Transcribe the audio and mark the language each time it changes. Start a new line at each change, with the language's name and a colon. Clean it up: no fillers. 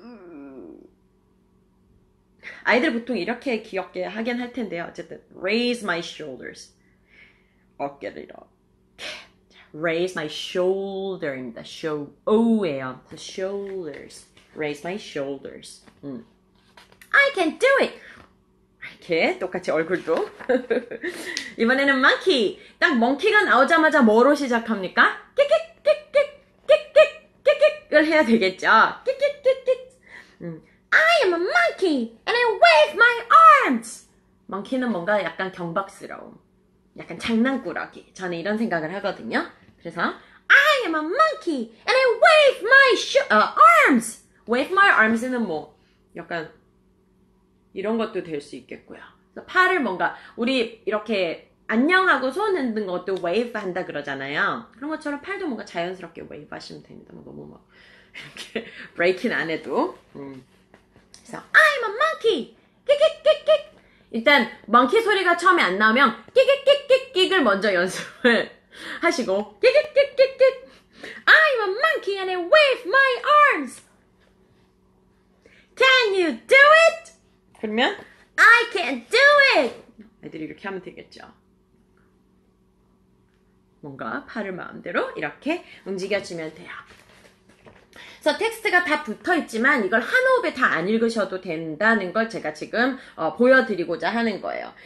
English: I can't do it.
Korean: 아이들 보통 이렇게 귀엽게 하긴 할 텐데요. 어쨌든
English: raise my shoulders.
Korean: 어깨를 이렇게.
English: Raise my shoulder입니다. Show O예요. The shoulders. Raise my shoulders. I can do it.
Korean: 이렇게 똑같이 얼굴도. 이번에는 monkey. 딱 monkey가 나오자마자 뭐로 시작합니까? 끽끽끽끽끽끽끽을 해야 되겠죠. 끽끽끽끽.
English: I am a monkey and I wave my arms.
Korean: monkey는 뭔가 약간 경박스러움, 약간 장난꾸러기. 저는 이런 생각을 하거든요. 그래서
English: I am a monkey and I wave my arms.
Korean: wave my arms는 뭐 약간 이런 것도 될수 있겠고요. 팔을 뭔가 우리 이렇게 안녕하고 손 흔드는 것도 wave 한다 그러잖아요. 그런 것처럼 팔도 뭔가 자연스럽게 wave 하시면 됩니다. 뭐 너무 막 이렇게 breaking 안 해도. 그래서
English: I'm a monkey.
Korean: 끽끽끽끽. 일단 monkey 소리가 처음에 안 나오면 끽끽끽끽끽을 먼저 연습을 하시고 끽끽끽끽끽.
English: I'm a monkey and I wave my arms. Can you do it?
Korean: 그러면
English: I can't do it.
Korean: 애들이 이렇게 하면 되겠죠. 뭔가 팔을 마음대로 이렇게 움직여주면 돼요. 그래서 텍스트가 다 붙어 있지만 이걸 한 호흡에 다안 읽으셔도 된다는 걸 제가 지금 보여드리고자 하는 거예요.